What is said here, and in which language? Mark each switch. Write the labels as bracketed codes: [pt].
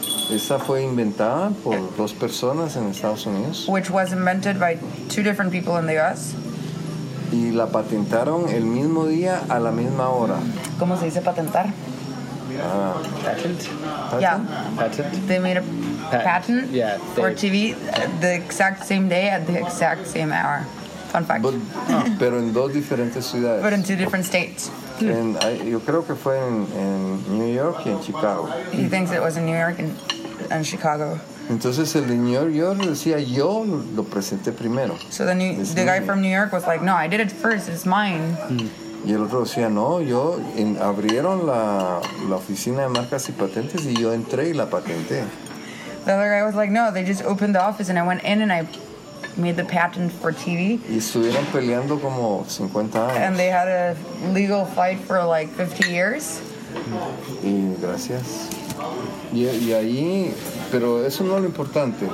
[es] Esa fue inventada por dos personas en Estados Unidos. [en] Which was invented by two different people in the U.S. [es] Y la patentaron el mismo día a la misma hora. ¿Cómo se dice patentar? [en] Patent. Yeah. Patent. They made a patent for TV the exact same day at the exact same hour. Fun fact. [es] But, pero en dos diferentes ciudades. [en] But in two different states. [es] Yo creo que fue en New York y en Chicago. [en] He thinks it was in New York and Chicago. [es] Entonces el de New York decía, yo lo presenté primero. [en] So the guy from New York was like, no, I did it first, it's mine. [es] Y el otro decía, no, yo, abrieron la oficina de marcas y patentes y yo entré y la patenté. [en] The other guy was like, no, they just opened the office and I went in and I made the patent for TV. [es] Y estuvieron peleando como 50 años. [en] And they had a legal fight for like 50 years. [es] Y gracias. Y ahí, pero eso no es lo importante.